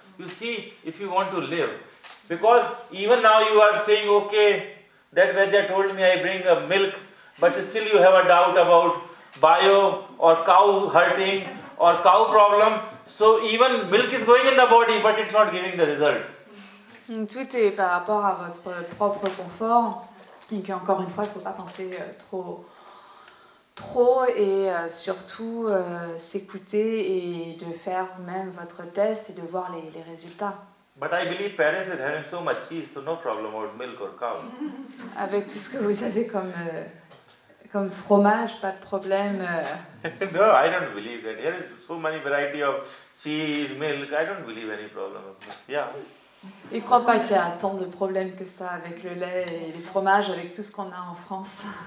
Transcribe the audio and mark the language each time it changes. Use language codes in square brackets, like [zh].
[en] You see, if you want to live. Because even now you are saying, okay, that Vaidya told me I bring a milk, but still you have a doubt about bio or cow hurting or cow problem. So even milk is going in the body, but it's not giving the result. [fr] Tout est par rapport à votre propre confort. Et puis encore une fois, il ne faut pas penser trop et surtout s'écouter et de faire vous-même votre test et de voir les résultats. [en] But I believe parents are having so much cheese, so no problem with milk or cow. [fr] Avec tout ce que vous avez comme fromage, pas de problème. [en] No, I don't believe that. There is so many variety of cheese, milk. I don't believe any problem. Yeah. [fr] Il ne croit pas qu'il y a tant de problèmes que ça avec le lait et les fromages, avec tout ce qu'on a en France.